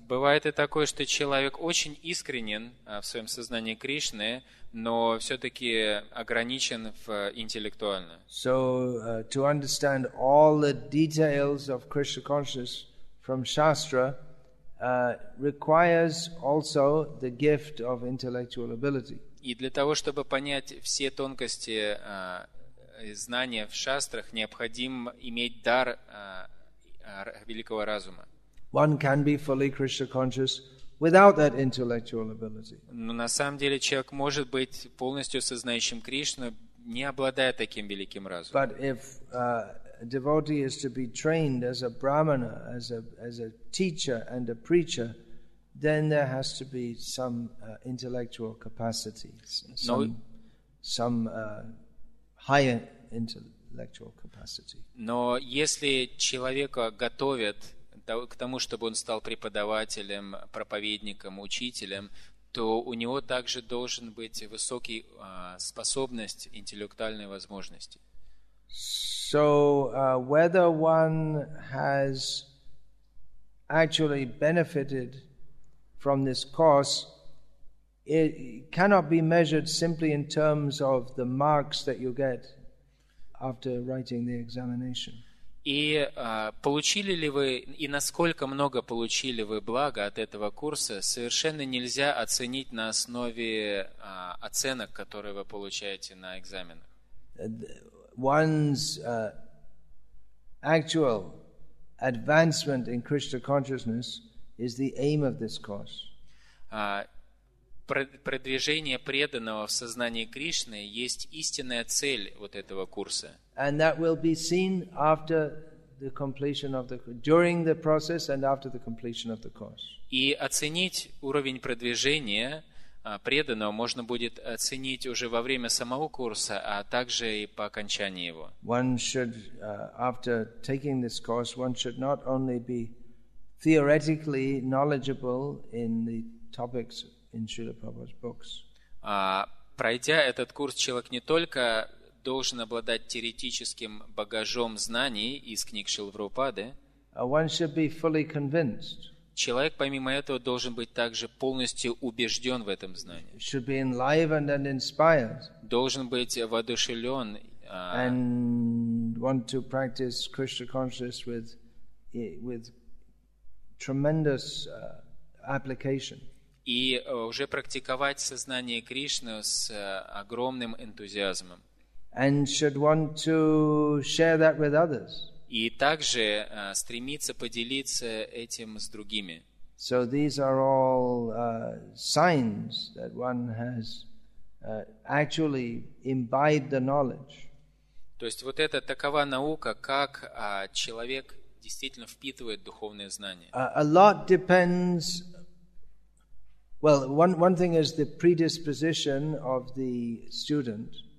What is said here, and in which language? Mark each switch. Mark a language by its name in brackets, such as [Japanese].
[Russian] Бывает и такое, что человек очень искренен в своем сознании Кришны, но все-таки ограничен в интеллектуально. [English] So to understand all the details of Krishna consciousness from Shastra requires also the gift of intellectual ability. [Russian] И для того, чтобы понять все тонкости знания в шастрах, необходим иметь дар великого разума. [English] One can be fully Krishna conscious without that intellectual ability. [Russian] Но на самом деле человек может быть полностью сознающим Кришну, не обладая таким великим разумом. [English] But if a devotee is to be trained as a brahmana, as a teacher and a preacher, then there has to be some intellectual capacity, some higher intellectual capacity. [Russian] Но если человека готовят к тому, чтобы он стал преподавателем, проповедником, учителем, то у него также должен быть высокий способность интеллектуальной возможности. [English] So whether one has actually benefited from this course, it cannot be measured simply in terms of the marks that you get after writing the examination. [Russian] И получили ли вы, и насколько много получили вы блага от этого курса, совершенно нельзя оценить на основе оценок, которые вы получаете на экзаменах. [English] One's actual advancement in Krishna consciousness is the aim of this course. [Russian] Продвижение преданного в сознании Кришны есть истинная цель вот этого курса. [English] And that will be seen after the completion of the during the process and after the completion of the course. [Russian] И оценить уровень продвижения преданного можно будет оценить уже во время самого курса, а также и по окончании его. [English] One should after taking this course, one should not only be theoretically knowledgeable in the topics in Srila Prabhupada's books. [Russian] Пройдя этот курс, человек не только должен обладать теоретическим багажом знаний из книг Шрилы Прабхупады, [English] one should be fully convinced. [Russian] Человек, помимо этого, должен быть также полностью убежден в этом знании. [English] Should be enlivened and inspired. [Russian] Должен быть воодушевлен. [English] And want to practice Krishna consciousness with tremendous application. [Russian] И уже практиковать сознание Кришны с огромным энтузиазмом. [English] And should want to share that with others. [Russian] И также стремиться поделиться этим с другими. [English] So these are all signs that one has actually imbibed the knowledge. [Russian] То есть вот это такова наука, как человек действительно впитывает духовное знание. [English] A lot depends. Well, one thing is the predisposition of the student.